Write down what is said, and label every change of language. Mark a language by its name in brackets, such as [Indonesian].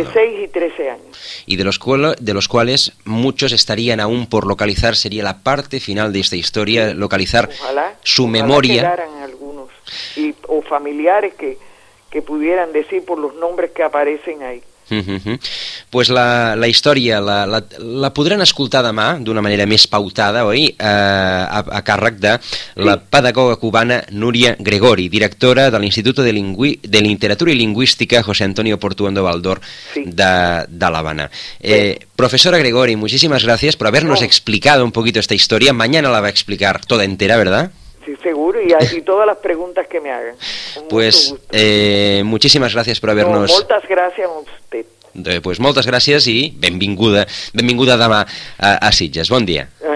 [Spanish] Entre 6 y 13 años. Y de los cuales muchos estarían aún por localizar, sería la parte final de esta historia, localizar su memoria. Ojalá quedaran algunos o familiares que pudieran decir por los nombres que aparecen ahí. [Catalan] Pues la història la podran escoltar demà d'una manera més pautada, oi? A càrrec de la pedagoga cubana Núria Gregori, directora de l'Instituto de Literatura i Lingüística José Antonio Portuondo Valdor de La Habana. [Spanish] Profesora Gregori, muchísimas gracias por habernos explicado un poquito esta historia. Mañana la va a explicar toda entera, ¿verdad? Sí, seguro, y todas las preguntas que me hagan. Pues muchísimas gracias por habernos... [Catalan] No, moltes gràcies [Spanish] a usted. [Catalan] Pues moltes gràcies i benvinguda demà a Sitges. Bon dia.